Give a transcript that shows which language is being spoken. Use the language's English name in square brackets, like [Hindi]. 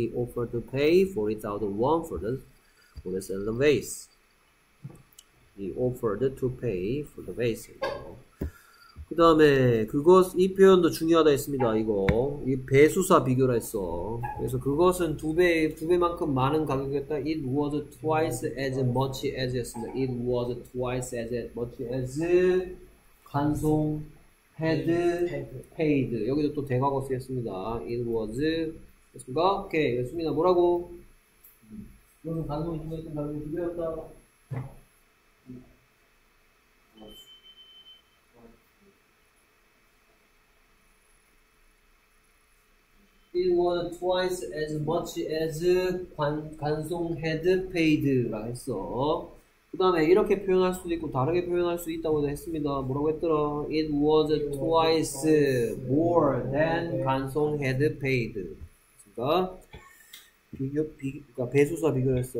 [English] He offered to pay 40,000 won for the celadon vase. He offered to pay for the vase. [Korean] 그 다음에 그것 이 표현도 중요하다 했습니다. 이거 이 배수사 비교라 했어. 그래서 그것은 두 배만큼 많은 가격이었다. [English] It was twice as much as [Korean] 였습니다. [English] It was twice as much as 간송 had paid. [Korean] 여기도 또 대과거 쓰였습니다. [English] It was [Korean] 됐습니까? 오케이. 됐습니다. 뭐라고? 이것은 간송이 중요했던 가격이 두 배였다. [English] 1원 twice as much as 간송 had paid라 했어. [Korean] 그 다음에 이렇게 표현할 수도 있고 다르게 표현할 수 있다고도 했습니다. 뭐라고 했더라? [English] It was twice more than 간송 had paid. [Korean] 그러니까 배수사 비교했어.